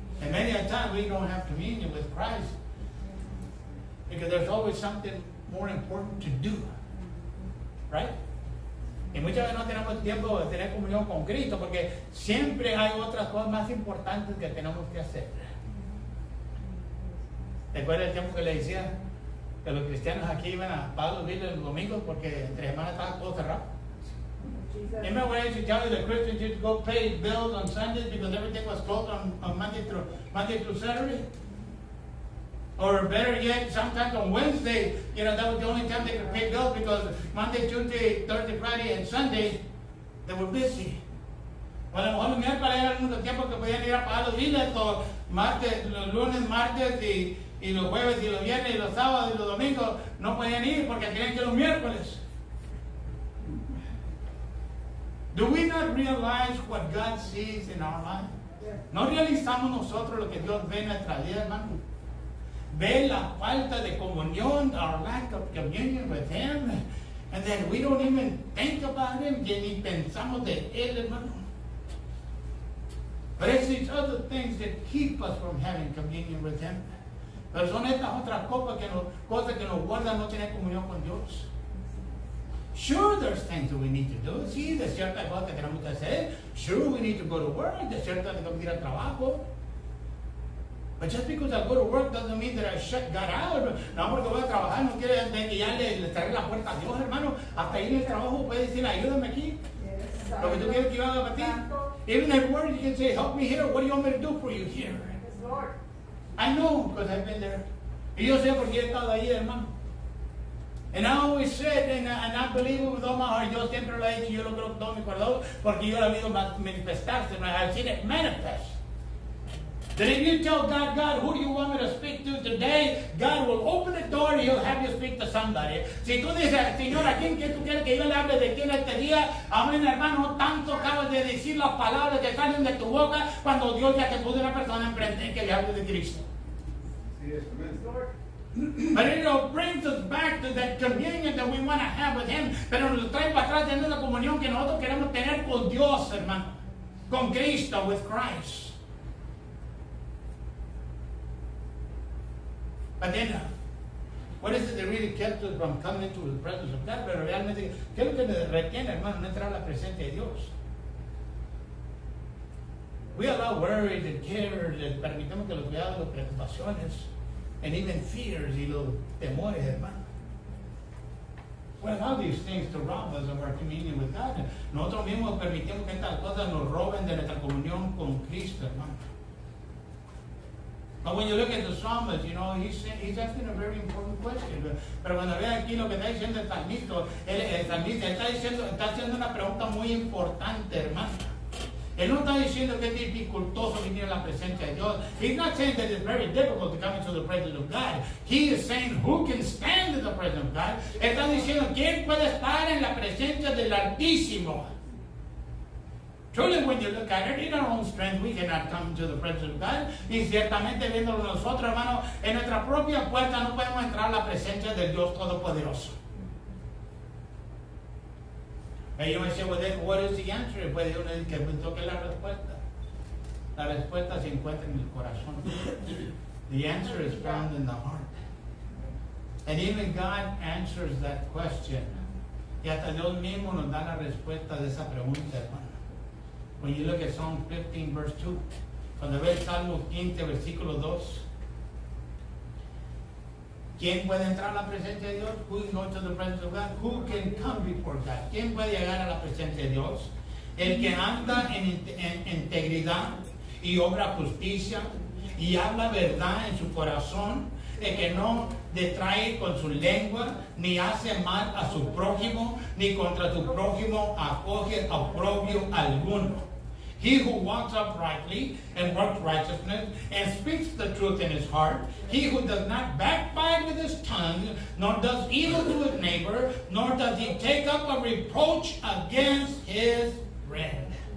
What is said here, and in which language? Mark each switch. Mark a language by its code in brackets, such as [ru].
[en] And many a time we don't have communion with Christ because there's always something more important to do. Right? [es] Y muchas veces no tenemos tiempo de tener comunión con Cristo porque siempre hay otras cosas más importantes que tenemos que hacer. ¿Te acuerdas el tiempo que le decía que los cristianos aquí iban a Pablo Villa el domingo porque entre semana estaba todo cerrado? [en] Jesus. Remember when I used to tell you the Christians used to go pay bills on Sundays because everything was closed on Monday through Saturday? Or better yet, sometimes on Wednesday, you know, that was the only time they could pay bills because Monday, Tuesday, Thursday, Friday, and Sunday, they were busy. [es] Bueno, a lo mejor para ellos era el tiempo que podían ir a pagar los billetes, los lunes, martes, y los jueves, y los viernes, y los sábados, y los domingos, no podían ir porque tenían que ir los miércoles. [en] Do we not realize what God sees in our life? [es] ¿No realizamos nosotros lo que Dios ve en nuestra vida, hermano? Ve la falta de comunión, [en] our lack of communion with him, and then we don't even think about him, [es] que ni pensamos de él, hermano. [en] But it's these other things that keep us from having communion with him. [es] Pero son estas otras cosas que nos guardan no tener comunión con Dios. [en] Sure, there's things that we need to do. [es] Sí, de cierta cosa que tenemos que hacer. [en] Sure, we need to go to work. [es] De cierta que tenemos que ir al trabajo. [en] But just because I go to work doesn't mean that I shut God out. [es] No, porque voy a trabajar no quiere decir que ya le cerré la puerta a Dios, hermano. Hasta ir al trabajo puede decir, ayúdame aquí. Lo que tú quieres que yo haga para ti. [en] Even at work, you can say, help me here. What do you want me to do for you here? Yes, Lord. I know because I've been there. [es] Y yo sé porque he estado ahí, hermano. [en] And I always said, and I believe it with all my heart, [es] yo siempre lo he dicho, yo lo creo con todo mi corazón, porque yo lo he visto manifestarse, [en] and I have seen it manifest. That if you tell God, who do you want me to speak to today? God will open the door and he'll have you speak to somebody. [es] Si tú dices, Señor, ¿a quién tú quieres que yo le hable de quién este día? Amén, hermano, tanto acabas de decir las palabras que salen de tu boca cuando Dios ya te puso una persona en frente que le hable de Cristo. [en] But it brings us back to that communion that we want to have with him. [es] Pero nos trae para atrás de la comunión que nosotros queremos tener con Dios, hermano. Con Cristo, [en] with Christ. But then, what is it that really kept us from coming into the presence of God? [es] Pero realmente, ¿qué es lo que nos retiene, hermano, no entrar a la presencia de Dios? [en] We allow worries and cares, and [es] permitamos que los cuidados, las preocupaciones, [en] and even fears [es] y los temores, hermano. [en] We allow these things to rob us of our communion with God. [es] Nosotros mismos permitimos que estas cosas nos roben de nuestra comunión con Cristo, hermano. [en] But when you look at the psalmist, you know, he's asking a very important question. [es] Pero cuando ve aquí lo que está diciendo el salmista, está haciendo una pregunta muy importante, hermano. Él no está diciendo que es dificultoso venir a la presencia de Dios. [en] He's not saying that it's very difficult to come into the presence of God. He is saying, who can stand in the presence of God? [es] Está diciendo, ¿quién puede estar en la presencia del Altísimo? [en] Truly, when you look at it, in our own strength, we cannot come into the presence of God. [es] Y ciertamente, viéndolo nosotros, hermano, en nuestra propia puerta no podemos entrar a la presencia del Dios Todopoderoso. [en] And you might say, well, then, what is the answer? [es] Puede uno decir que me toque la respuesta. La respuesta se encuentra en el corazón. [en] The answer is found in the heart. And even God answers that question. [es] Y hasta Dios mismo nos da la respuesta de esa pregunta, hermano. [en] When you look at Psalm 15, verse 2, [es] cuando ve el Salmo 15, versículo 2, ¿quién puede entrar a la presencia de Dios? [en] Who can go to the presence of God? Who can come before God? [es] ¿Quién puede llegar a la presencia de Dios? El que anda en integridad y obra justicia y habla verdad en su corazón, el que no detrae con su lengua, ni hace mal a su prójimo, ni contra su prójimo acoge oprobio alguno. [en] He who walks uprightly and works righteousness and speaks the truth in his heart, he who does not backbite with his tongue, nor does evil to his neighbor, nor does he take up a reproach against his friend.